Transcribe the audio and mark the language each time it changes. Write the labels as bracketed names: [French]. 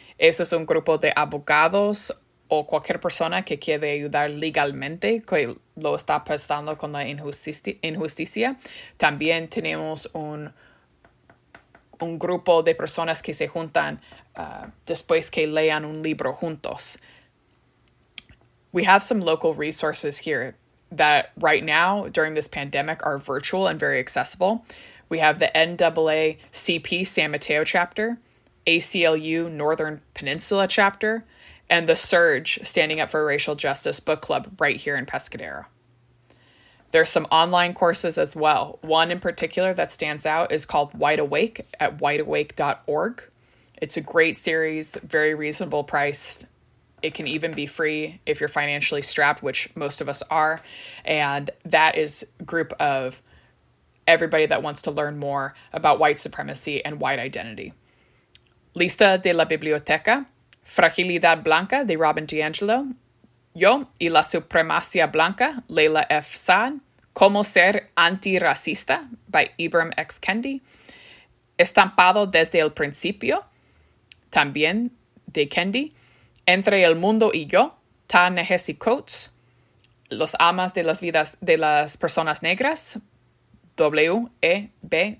[Spanish] Eso es un grupo de abogados o cualquier persona que quiere ayudar legalmente, que lo está pasando con la injusticia. También tenemos un grupo de personas que se juntan después que lean un libro juntos. [English] We have some local resources here that right now during this pandemic are virtual and very accessible. We have the NAACP San Mateo chapter, ACLU Northern Peninsula chapter, and the Surge Standing Up for Racial Justice book club right here in Pescadero. There's some online courses as well. One in particular that stands out is called Wide Awake at wideawake.org. It's a great series, very reasonable price. It can even be free if you're financially strapped, which most of us are. And that is a group of everybody that wants to learn more about white supremacy and white identity. [Spanish] Lista de la Biblioteca, Fragilidad Blanca de Robin DiAngelo, Yo y la Supremacía Blanca, Leila F. Saad, Cómo Ser Antirracista by Ibram X. Kendi, Estampado Desde el Principio, también de Kendi, Entre el Mundo y Yo, Ta-Nehisi Coates, Los Amas de las Vidas de las Personas Negras, W.E.B.